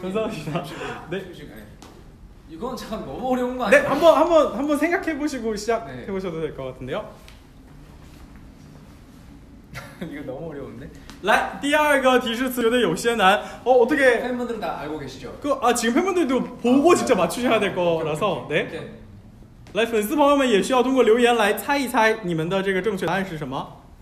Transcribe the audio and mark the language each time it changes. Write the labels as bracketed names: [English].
[Korean] 감사합니다 네 이건 참 너무 어려운 거 아니에요? 네 한번 생각해 보시고 시작해 보셔도 될 것 같은데요. 이거 너무 어려운데. [Chinese] 라이, 第二个 디슈스는 有些难. [Korean] 어, 어떻게 팬분들 다 알고 계시죠? 그 아, 지금 팬분들도 보고 아, 직접 맞추셔야 될 거라서. 네. [Chinese] 라이, 粉丝朋友们也需要通过留言来猜一猜你们的这个正确答案是什么.